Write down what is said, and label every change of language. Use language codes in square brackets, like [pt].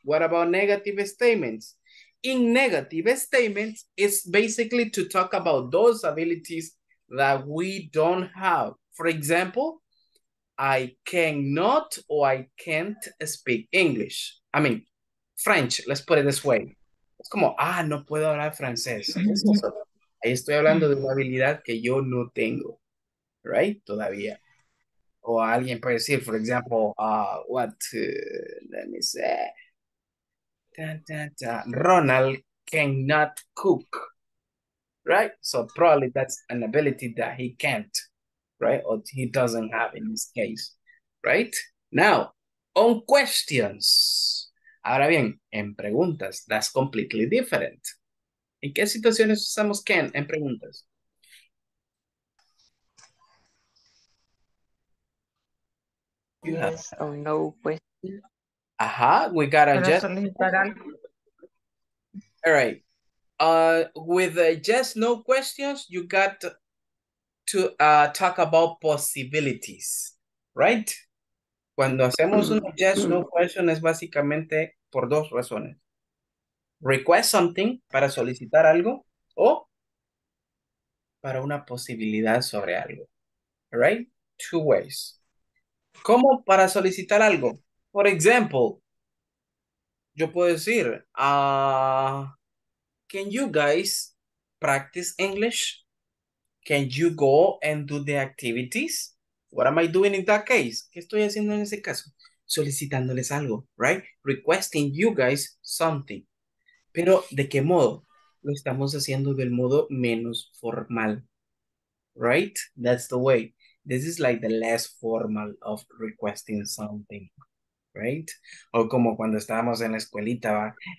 [en] What about negative statements? In negative statements, it's basically to talk about those abilities that we don't have. For example, I cannot or I can't speak English. I mean, French, let's put it this way. [es] It's como, no puedo hablar francés. Ahí estoy hablando de una habilidad que yo no tengo, right? Todavía. O alguien puede decir, [en] for example, let me say. Ronald cannot cook, right? So probably that's an ability that he can't, right? Or he doesn't have in his case, right? Now, on questions. [es] Ahora bien, en preguntas, [en] that's completely different. [es] ¿En qué situaciones usamos can en preguntas? [en] You have. Yes, oh, no question. Ajá, we got a yes. All right. With the yes, no questions, you got to talk about possibilities, right? [es] Cuando hacemos un [en] yes, no question, [es] es básicamente por dos razones. [en] Request something [es] para solicitar algo o para una posibilidad sobre algo. [en] All right? Two ways. [es] ¿Cómo para solicitar algo? [en] For example, [es] yo puedo decir, [en] can you guys practice English? Can you go and do the activities? What am I doing in that case? [es] ¿Qué estoy haciendo en ese caso? Solicitándoles algo, right? [en] Requesting you guys something. [es] Pero, ¿de qué modo? Lo estamos haciendo del modo menos formal, right? [en] That's the way. This is like the less formal of requesting something. Right? [es] O como cuando estábamos en la escuelita, ¿va?